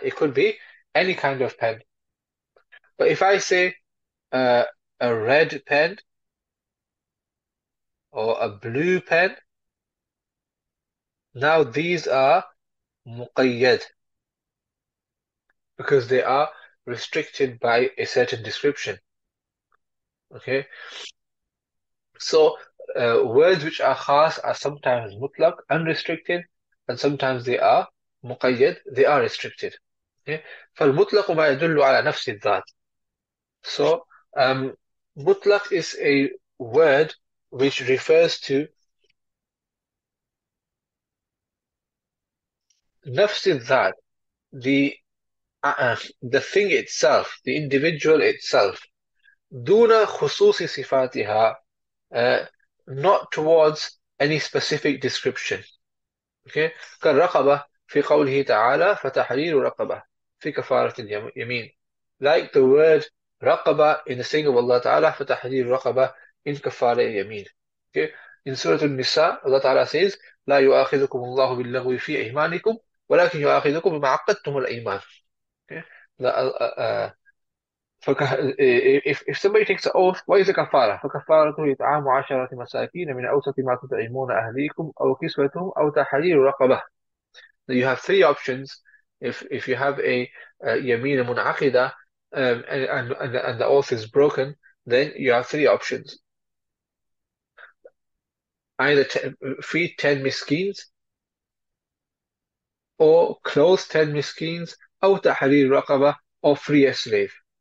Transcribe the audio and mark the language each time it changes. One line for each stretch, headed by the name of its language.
English: It could be any kind of pen. But if I say a red pen or a blue pen, now these are muqayyad because they are restricted by a certain description. Okay, so words which are khas are sometimes mutlaq, unrestricted, and sometimes they are muqayyad, they are restricted.
Arabic: Okay, فالمطلق ما يدل على نفس الذات.
English: So mutlaq is a word which refers to نفس الذات, the thing itself, the individual itself,
Arabic: دون خصوص صفاتها,
English: not towards any specific description.
Arabic: Okay, كالرقبة في قوله تعالى فتحرير رقبة في كفارة اليمين.
English: Like the word رقبة in the saying of Allah تعالى
Arabic: فتحرير رقبة
English: in كفارة اليمين. Okay, in Surah Al-Nisa, Allah تعالى says
Arabic: لا يؤاخذكم الله باللغو في أيمانكم ولكن يؤاخذكم بما عقدتم الايمان.
English: لا if somebody takes an oath, what is the kafara?
Arabic: فكفارته إطعام 10 مساكين من أوسط ما تطعمون أهليكم أو كسوتهم أو تحرير رقبة.
English: So you have three options if you have a يمين منعقدة and the oath is broken, then you have three options. Either feed 10 miskins or clothe 10 miskins
Arabic: أو تحرير رقبة
English: or free a slave.